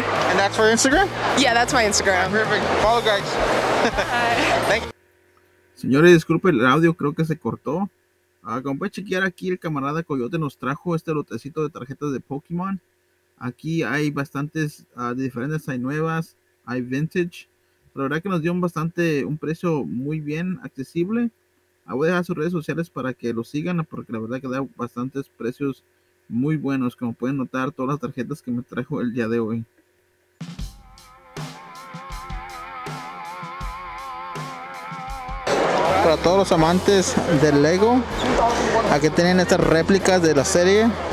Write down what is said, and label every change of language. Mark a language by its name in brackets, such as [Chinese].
[English] And that's for Instagram? Yeah, that's my Instagram. Right, perfect. Follow guys. Thank you. [Spanish] Señores, disculpe el audio, creo que se cortó. Como puede chequear aquí, el camarada Coyote nos trajo este lotecito de tarjetas de Pokémon. Aquí hay bastantes diferentes, hay nuevas, hay vintage. La verdad que nos dio un precio muy bien accesible. Voy a dejar sus redes sociales para que lo sigan, porque la verdad que da bastantes precios muy buenos, como pueden notar todas las tarjetas que me trajo el día de hoy. Wow. para todos los amantes del Lego. Aquí tienen estas réplicas de la serie.